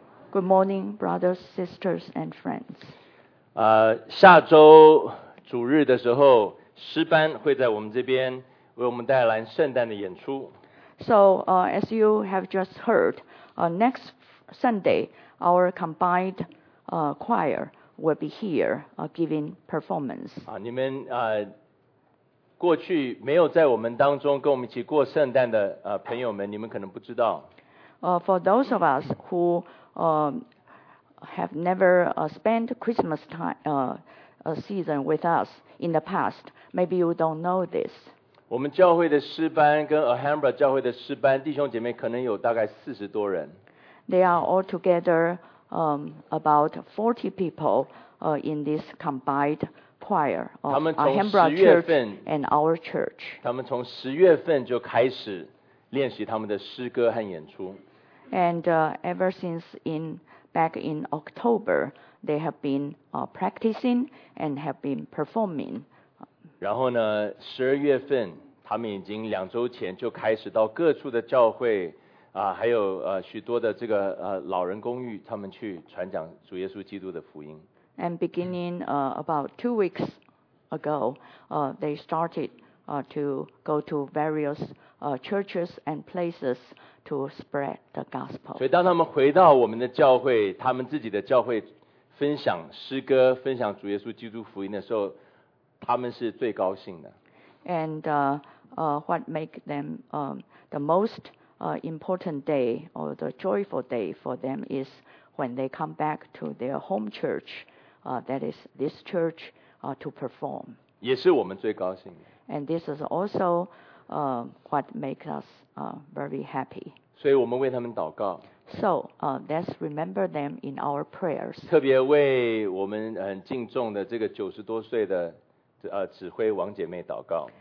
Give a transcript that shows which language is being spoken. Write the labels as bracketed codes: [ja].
[en] Good morning, brothers, sisters, and friends. [zh] 下周主日的时候，诗班会在我们这边为我们带来圣诞的演出。 [en] So, as you have just heard, next Sunday, our combined choir will be here giving performance. [zh] 你们过去没有在我们当中跟我们一起过圣诞的朋友们，你们可能不知道。 [en] For those of us who have never spent Christmas time season with us in the past, maybe you don't know this. [zh] 我们教会的诗班跟 Alhambra 教会的诗班弟兄姐妹可能有大概40多人。 [en] They are all together about 40 people in this combined choir of Alhambra Church and our church. [zh] 他们从十月份就开始练习他们的诗歌和演出。 [en] And ever since back in October, they have been practicing and have been performing. [zh] 然后呢，十二月份，他们已经两周前就开始到各处的教会啊，还有许多的这个老人公寓，他们去传讲主耶稣基督的福音。 [en] And beginning about 2 weeks ago, they started to go to various churches and places to spread the gospel. [zh] 所以当他们回到我们的教会，他们自己的教会分享诗歌，分享主耶稣基督福音的时候，他们是最高兴的。 [en] And what make them the most important day or the joyful day for them is when they come back to their home church, that is this church, to perform. [zh] 也是我们最高兴的。 [en] And this is also what makes us very happy. [zh] 所以我们为他们祷告。 [en] So, let's remember them in our prayers. [zh] 特别为我们很敬重的这个90多岁的指挥王姐妹祷告。